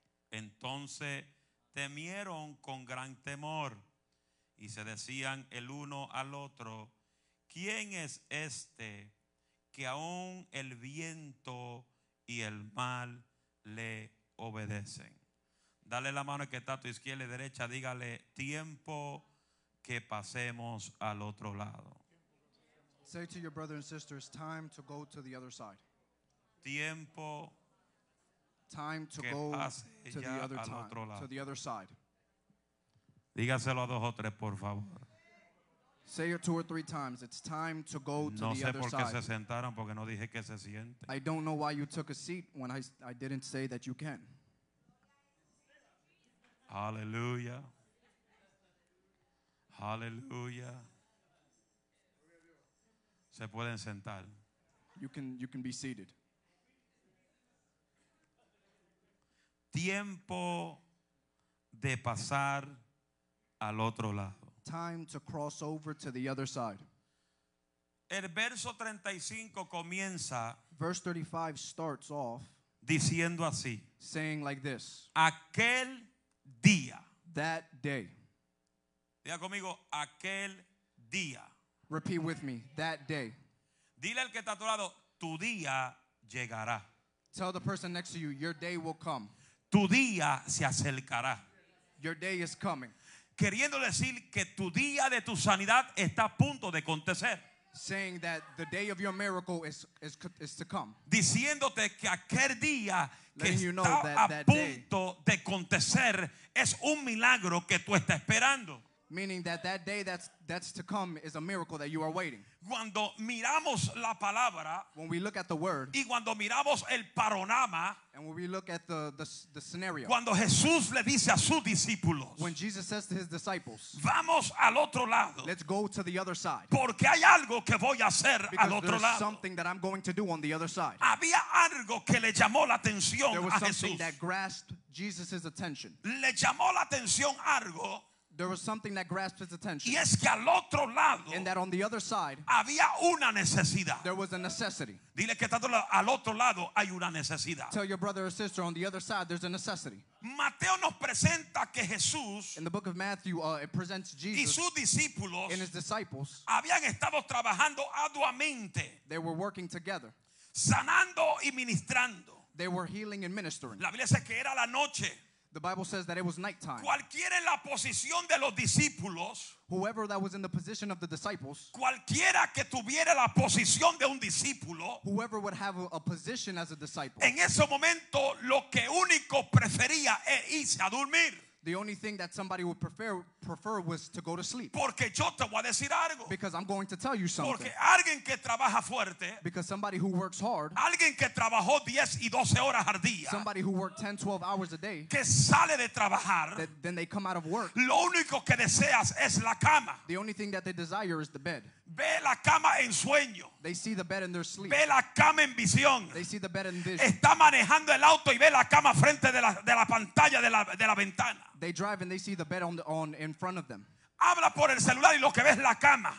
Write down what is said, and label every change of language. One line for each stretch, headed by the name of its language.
Spanish: Entonces temieron con gran temor y se decían el uno al otro: ¿quién es este que aún el viento y el mar le obedecen? Dale la mano que está a tu izquierda y derecha, dígale: tiempo que pasemos al otro lado.
English: Say to your brother and sister, it's time to go to the other side.
Spanish: Tiempo.
English: Time to go to the other time. To the other side.
Spanish: Dígaselo a dos o tres, por favor.
English: Say it two or three times. It's time to go to the other side.
Spanish: No sé por qué se sentaron, porque no dije que se siente.
English: I don't know why you took a seat when I didn't say that you can. Hallelujah. Hallelujah.
Spanish: Se pueden sentar.
English: You can be seated.
Spanish: Tiempo de pasar al otro lado.
English: Time to cross over to the other side.
Spanish: El verso 35 comienza.
English: Verse 35 starts off
Spanish: diciendo así.
English: Saying like this.
Spanish: Aquel día.
English: That day.
Spanish: Diga conmigo: aquel día.
English: Repeat with me: that day.
Spanish: Dile al que está a tu lado: tu día llegará.
English: Tell the person next to you: your day will come.
Spanish: Tu día se acercará.
English: Your day is coming.
Spanish: Queriendo decir que tu día de tu sanidad está a punto de acontecer.
English: Saying that the day of your miracle is to come.
Spanish: Diciéndote que aquel día que está,
English: you know, that,
Spanish: a punto de acontecer es un milagro que tú estás esperando.
English: Meaning that that day that's to come is a miracle that you are waiting.
Spanish: Cuando miramos la palabra,
English: when we look at the word,
Spanish: y cuando miramos el panorama,
English: and when we look at the scenario,
Spanish: cuando Jesús le dice a sus discípulos,
English: when Jesus says to his disciples,
Spanish: vamos al otro lado,
English: let's go to the other side,
Spanish: porque hay algo que voy a hacer al otro lado,
English: because there's something that I'm going to do on the other side.
Spanish: Había algo que le llamó la atención a Jesús.
English: There was something that grasped Jesus's attention.
Spanish: Le llamó la atención algo.
English: There was something that grasped his attention.
Spanish: Y es que al otro lado,
English: and that on the other side,
Spanish: había una necesidad.
English: There was a necessity.
Spanish: Dile que tanto al otro lado hay una necesidad.
English: Tell your brother or sister, on the other side, there's a necessity.
Spanish: Mateo nos presenta que Jesús,
English: in the book of Matthew, it presents Jesus
Spanish: y sus discípulos,
English: and his disciples,
Spanish: habían estado trabajando arduamente.
English: They were working together,
Spanish: sanando y ministrando.
English: They were healing and ministering.
Spanish: La Biblia dice que era la noche.
English: The Bible says that it was nighttime.
Spanish: Cualquiera en la posición de los discípulos,
English: whoever that was in the position of the disciples,
Spanish: cualquiera que tuviera la posición de un discípulo,
English: whoever would have a position as a disciple,
Spanish: en ese momento lo que único prefería es irse a dormir.
English: The only thing that somebody would prefer was to go to sleep.
Spanish: Porque yo te voy a decir algo.
English: Because I'm going to tell you something.
Spanish: Porque alguien que trabaja fuerte,
English: because somebody who works hard,
Spanish: alguien que trabajó 10 y 12 horas al día,
English: somebody who worked 10, 12 hours a day,
Spanish: que sale de trabajar,
English: that, then they come out of work.
Spanish: Lo único que deseas es la cama.
English: The only thing that they desire is the bed.
Spanish: Ve la cama en sueño.
English: They see the bed in their sleep.
Spanish: Ve la cama en visión.
English: They see the bed in vision.
Spanish: Está manejando el auto y ve la cama frente de la pantalla de la ventana.
English: They drive and they see the bed on in front of them.
Spanish: Habla por el celular y lo que ve es la cama.